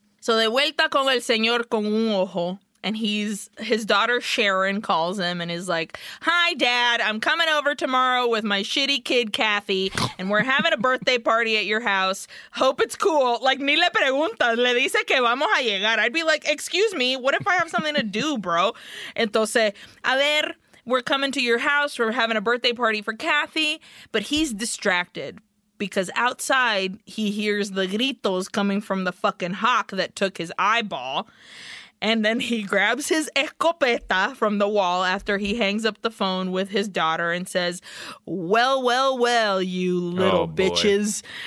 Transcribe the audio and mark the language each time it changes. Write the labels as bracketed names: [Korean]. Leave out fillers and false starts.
[Spanish] So de vuelta con el señor con un ojo. [English] And his daughter Sharon calls him and is like, hi, Dad, I'm coming over tomorrow with my shitty kid, Kathy, and we're having a birthday party at your house. Hope it's cool. [Spanish] Like, ni le preguntas, le dice que vamos a llegar. [English] I'd be like, excuse me, what if I have something to do, bro? Entonces, a ver, we're coming to your house. We're having a birthday party for Kathy. But he's distracted because outside he hears the gritos coming from the fucking hawk that took his eyeball. And then he grabs his escopeta from the wall after he hangs up the phone with his daughter and says, well, well, well, you little bitches.